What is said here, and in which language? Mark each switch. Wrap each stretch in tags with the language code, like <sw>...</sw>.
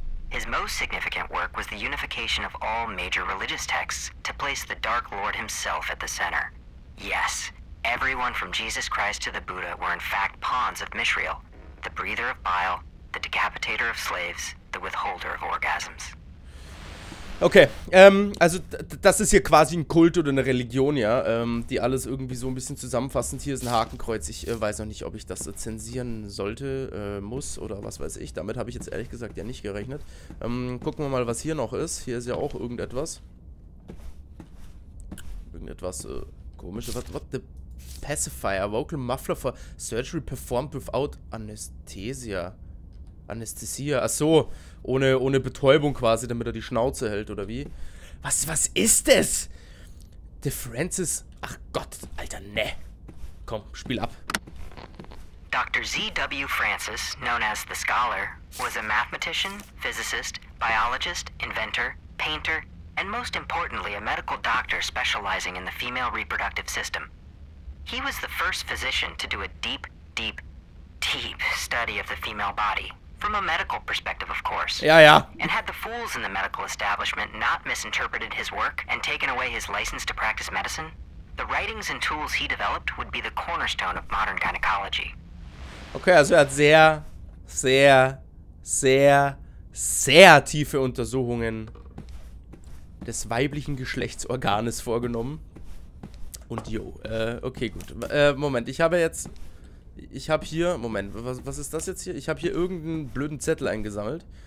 <en>His most significant work was the unification of all major religious texts to place the Dark Lord himself at the center. Yes, everyone from Jesus Christ to the Buddha were in fact pawns of Mishriel. the breather of bile, the decapitator of slaves, the withholder of orgasms.</en> <de>Okay, also das ist hier quasi ein Kult oder eine Religion, ja, die alles irgendwie so ein bisschen zusammenfassend. Hier ist ein Hakenkreuz, ich weiß noch nicht, ob ich das zensieren sollte, muss oder was weiß ich. Damit habe ich jetzt ehrlich gesagt ja nicht gerechnet. Gucken wir mal, was hier noch ist. Hier ist ja auch irgendetwas. Irgendetwas komisches.</de> <en>What the pacifier, vocal muffler for surgery performed without anesthesia.</en> <de>Anästhesie, achso, ohne Betäubung quasi, damit er die Schnauze hält, oder wie? Was ist das? The Francis, ach Gott, Alter, ne. Komm, spiel ab.</de> <en>Dr. Z.W. Francis, known as the Scholar, was a mathematician, physicist, biologist, inventor, painter, and most importantly, a medical doctor specializing in the female reproductive system. He was the first physician to do a deep, deep, deep study of the female body. From a medical perspective, of course. Yeah, yeah. And had the fools in the medical establishment not misinterpreted his work and taken away his license to practice medicine, the writings and tools he developed would be the cornerstone of modern gynecology.</en> <de>Okay, also er hat sehr, sehr, sehr, sehr tiefe Untersuchungen des weiblichen Geschlechtsorganes vorgenommen. Und jo, okay, gut. Moment, was ist das jetzt hier? Ich habe hier irgendeinen blöden Zettel eingesammelt.</de>